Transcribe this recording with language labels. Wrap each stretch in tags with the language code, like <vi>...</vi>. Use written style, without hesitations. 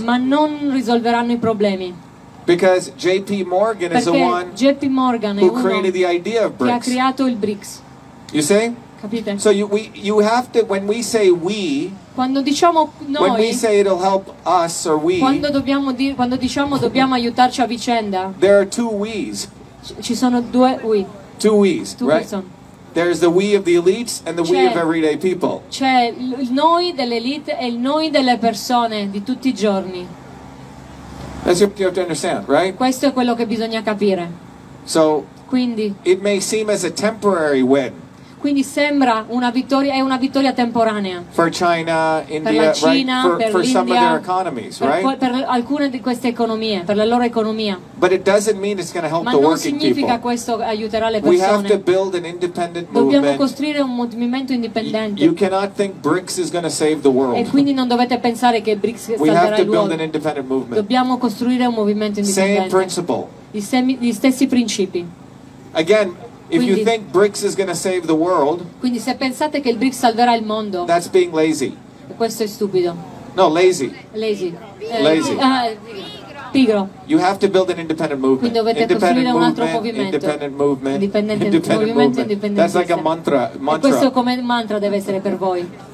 <it>Ma non risolveranno i problemi.</it> <en>Because J.P. Morgan is the one J.P. Morgan who created the idea of BRICS.</en> <it>Che ha creato il BRICS.</it> <en>You see?</en> <it>Capite?</it> <en>So you have to, when we say we,</en> <it>quando diciamo noi,</it> <en>when we say it'll help us or we,</en> <it>quando dobbiamo dire, quando diciamo dobbiamo aiutarci a vicenda,</it> <en>there are two we's.</en> <it>Ci sono due we.</it> <en>Two we's, two right? Person. There's the we of the elites and the we of everyday people.</en> <it>C'è il noi dell'elite e il noi delle persone di tutti i giorni.</it> <en>That's what you have to understand, right?</en> <it>Questo è quello che bisogna capire.</it> <en>So,</en> <it>quindi,</it> <en>it may seem as a temporary win.</en> <it>Quindi sembra una vittoria, è una vittoria temporanea.</it> <en>For China, India,</en> <it>per la Cina,</it> <en>right?</en> <it>per</it> <en>some of their economies, right?</en> <it>Per alcune di queste economie, per la loro economia.</it> <en>But it doesn't mean it's going to help</en> <it>ma</it> <en>the working people.</en> <it>Ma non significa questo aiuterà le persone.</it> <en>We have to build an independent</en> <it>dobbiamo Dobbiamo costruire un movimento indipendente.</it> <en>You cannot think BRICS is going to save the world.</en> <it>E quindi non dovete pensare che BRICS salverà il mondo.</it> <en>We have to build an independent movement.</en> <it>Dobbiamo costruire un movimento indipendente.</it> <en>Same principle.</en> <it>Gli stessi principi.</it> <en>Again. If you think BRICS is going to save the world,</en> <it>quindi se pensate che il BRICS salverà il mondo,</it> <en>that's being lazy.</en> <it>Questo è stupido.</it> <en>No, lazy. Lazy. Lazy.</en> <it>Pigro.</it> <en>You have to build an independent movement.</en> <it>Quindi dovete</it> <en>independent movement,</en> <it>un altro movimento.</it> <en>Independent movement. Independent movement. That's like a mantra.</en> <it>E questo come mantra deve essere per voi.</it>